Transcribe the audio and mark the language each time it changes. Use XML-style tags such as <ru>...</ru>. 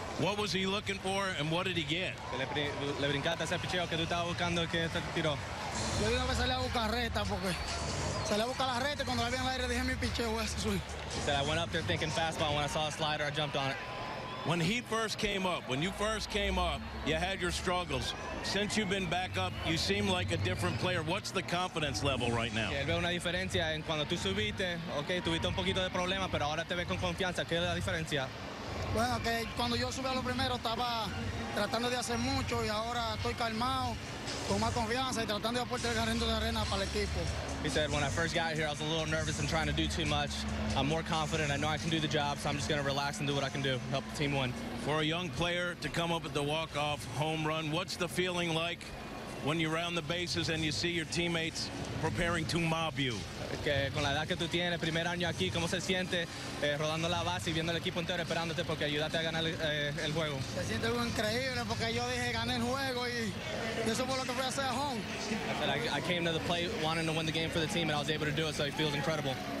<en>What was he looking for, and what did he get?</en> <es>Le brincaste ese picheo que tú estabas buscando y que te tiró. Yo digo que salí a buscar reta, porque salí a buscar la reta cuando la vi en el aire, dije mi picheo, voy a hacer swing.</es> <en>He said, I went up there thinking fastball, and when I saw a slider, I jumped on it. When he first came up, when you first came up, you had your struggles. Since you've been back up, you seem like a different player. What's the confidence level right now?</en> <es>Él ve una diferencia en cuando tú subiste, okay, tuviste un poquito de problema, pero ahora te ve con confianza. ¿Qué es la diferencia? Bueno, que cuando yo subí a lo primero estaba tratando de hacer mucho y ahora estoy calmado, con más confianza y tratando de aportar el granito de arena para el equipo.</es> <en>He said, when I first got here, I was a little nervous and trying to do too much. I'm more confident. I know I can do the job, so I'm just going to relax and do what I can do, help the team win. For a young player to come up with the walk-off home run, what's the feeling like when you're around the bases and you see your teammates preparing to mob you?</en> <es>Okay, con la edad que tú tienes, primer año aquí, ¿cómo se siente rodando la base y viendo el equipo entero esperándote porque ayudaste a ganar el juego? Se siente increíble porque yo dije gané el juego y eso fue lo que fui a hacer a home.</es> <en>I said, I came to the plate wanting to win the game for the team and I was able to do it, so it feels incredible.</en>